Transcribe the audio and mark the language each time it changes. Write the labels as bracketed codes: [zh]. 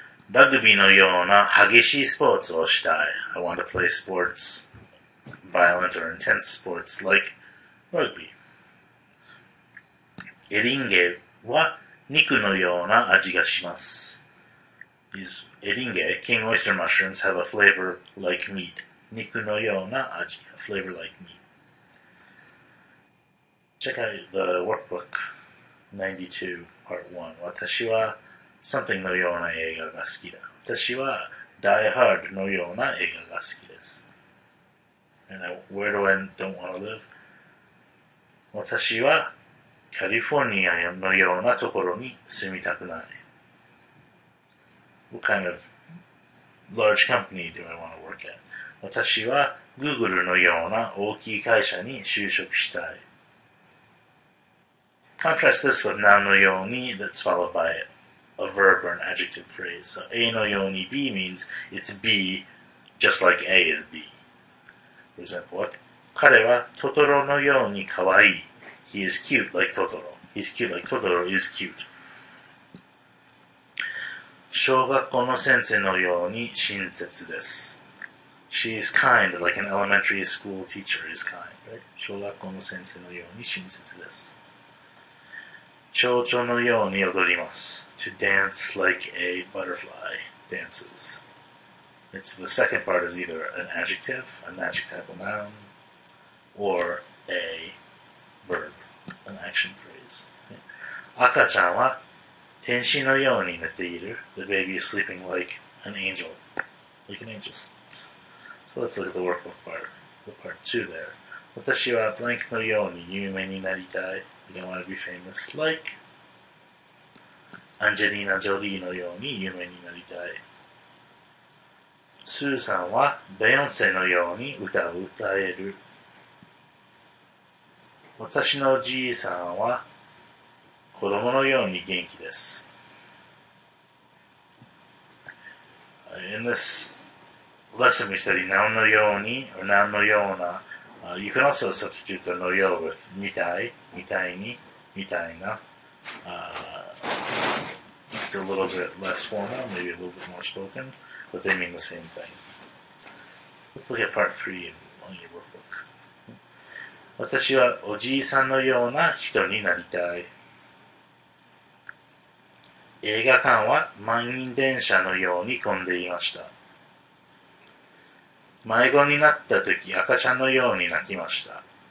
[ja] ラグビーのような激しいスポーツをしたい。 [en] I want to play sports, violent or intense sports like rugby. [ja] エリンゲは肉のような味がします。 [en] These エリンゲ, king oyster mushrooms, have a flavor like meat. [ja] 肉のような味, [en] a flavor like meat. Check out the workbook 92, part 1. [ja] 私はSomething のような映画が好きだ。私は Die Hard のような映画が好きです。 [en] And I, where do I don't want to live? [ja] 私はカリフォルニアのようなところに住みたくない。 [en] What kind of large company do I want to work at? [ja] 私は Google のような大きい会社に就職したい。 [en] Contrast this with 何のように that's followed by it. A verb or an adjective phrase. So, A no yoni B means it's B just like A is B. For example, what? [ja] 彼はトトロのように可愛い. [en] He is cute like Totoro. He's cute like Totoro is cute. [ja] 小学校の先生のように親切です. [en] She is kind, like an elementary school teacher is kind, right? [ja] 小学校の先生のように親切です.蝶々のように踊ります。 [en] To dance like a butterfly dances. It's the second part is either an adjective, an adjectival noun, or a verb, an action phrase. [ja] 赤ちゃんは天使のように寝ている。 [en] The baby is sleeping like an angel. Like an angel sleeps. So let's look at the workbook part, the part two there. [ja] 私は blank のように有名になりたい。 [en] I want to be famous like Angelina Jolie [ja] のように有名になりたい。スーさんはベヨンセのように歌を歌える。私のじいさんは子供のように元気です。 [en] In this lesson we study noun のように or noun のような。 You can also substitute the のよう with みたい、みたいに、みたいな. It's a little bit less formal, maybe a little bit more spoken, but they mean the same thing. Let's look at part 3 on your workbook. [ja] 私はおじいさんのような人になりたい。映画館は満員電車のように混んでいました。迷子になったとき赤ちゃんのように泣きました。